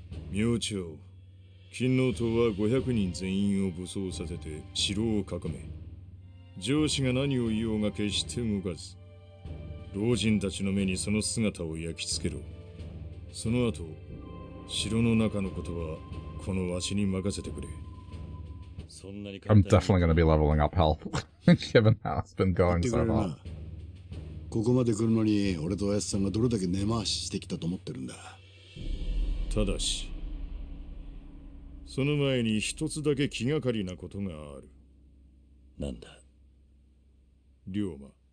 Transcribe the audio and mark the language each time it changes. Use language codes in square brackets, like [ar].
[ja] 明朝金の塔は500人全員を武装させて城を囲め、上司が何を言おうが決して動かず、老人たちの目にその姿を焼き付けろ。その後、城の中のことはこのわしに任せてくれ。そんなに簡単に。 [en] I'm definitely gonna be leveling up help, given how it's been going so far. [ja] ここまで来るのに、俺とおやすさんがどれだけ根回ししてきたと思ってるんだ。ただし、その前に一つだけ気がかりなことがある。なんだ、龍馬。